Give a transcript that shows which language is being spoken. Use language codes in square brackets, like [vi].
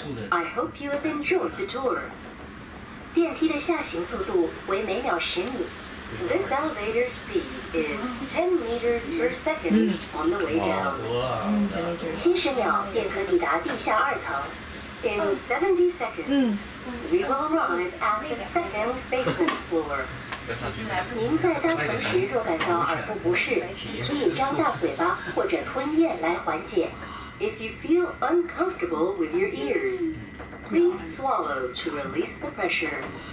[en] I hope you have enjoyed the tour. [zh] 电梯的下行速度为每秒十米。 [en] This elevator speed is 10 meters per second on the way down. [zh] 70秒便可抵达地下二层。 [en] In 70 seconds, we will arrive at the second basement floor. [zh] 您在搭乘时若感到耳部不适，请你张大嘴巴或者吞咽来缓解。 [en] If you feel uncomfortable with your ears, please swallow to release the pressure.